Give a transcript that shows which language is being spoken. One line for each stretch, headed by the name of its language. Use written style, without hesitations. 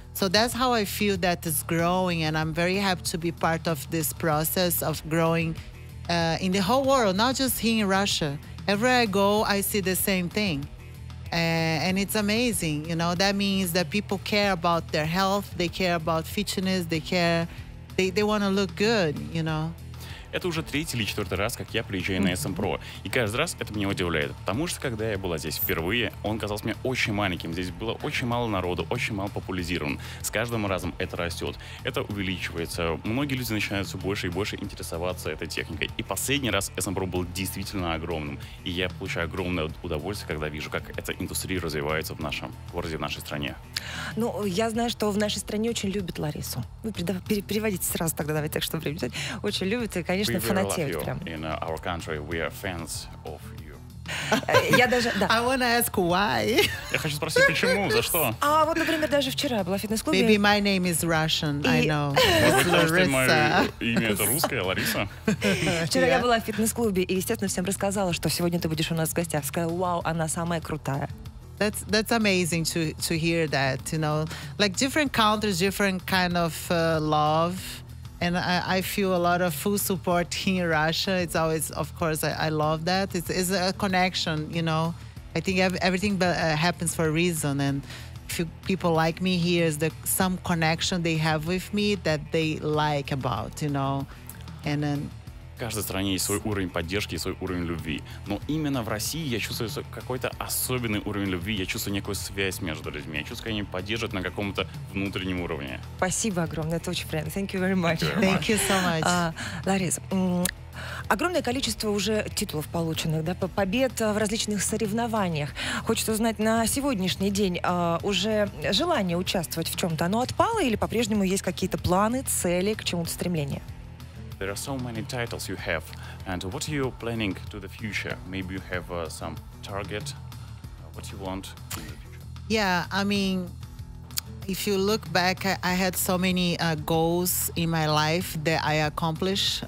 English: So that's how I feel that it's growing. And I'm very happy to be part of this process of growing in the whole world, not just here in Russia. Everywhere I go, I see the same thing. And it's amazing, you know, that means that people care about their health, they care about fitness, they care, they want to look good, you know.
Russian: Это уже третий или четвертый раз, как я приезжаю на SM-Pro. И каждый раз это меня удивляет. Потому что, когда я была здесь впервые, он казался мне очень маленьким. Здесь было очень мало народу, очень мало популяризирован. С каждым разом это растет. Это увеличивается. Многие люди начинают все больше и больше интересоваться этой техникой. И последний раз SM-Pro был действительно огромным. И я получаю огромное удовольствие, когда вижу, как эта индустрия развивается в нашем городе, в нашей стране. Ну, я знаю, что в нашей стране очень любят Ларису. Вы переводите сразу тогда, давайте так, чтобы время взять. Очень любят и, конечно, фанатеют прям.
English: In our country, we are fans of you.
Russian: Я даже, да.
English: I wanna ask why.
Russian: Я хочу спросить, почему, за что? А вот, например, даже вчера я была в фитнес-клубе.
English: Maybe my name is Russian, I know.
Russian: Может быть, мое имя это русское, Лариса? Вчера я была в фитнес-клубе и, естественно, всем рассказала, что сегодня ты будешь у нас в гостях. Сказала, вау, она самая крутая.
English: That's amazing to hear that, you know, like different countries, different kind of love, and I feel a lot of full support in Russia. It's always, of course, I love that. It's a connection, you know. I think everything happens for a reason, and if you, people like me here, is the some connection they have with me that they like about, you know, and then.
Russian: В каждой стране есть свой уровень поддержки и свой уровень любви. Но именно в России я чувствую какой-то особенный уровень любви. Я чувствую некую связь между людьми. Я чувствую, что они поддержат на каком-то внутреннем уровне. Спасибо огромное. Это очень приятно.
English: Thank you very much. Thank you so much.
Russian: Лариса, огромное количество уже титулов полученных, да, побед в различных соревнованиях. Хочется узнать, на сегодняшний день уже желание участвовать в чем-то, оно отпало или по-прежнему есть какие-то планы, цели, к чему-то стремление?
English: There are so many titles you have, and what are you planning to the future? Maybe you have some target, what you want in the future? Yeah, I mean, if you look back, I had so many goals in my life that I accomplished.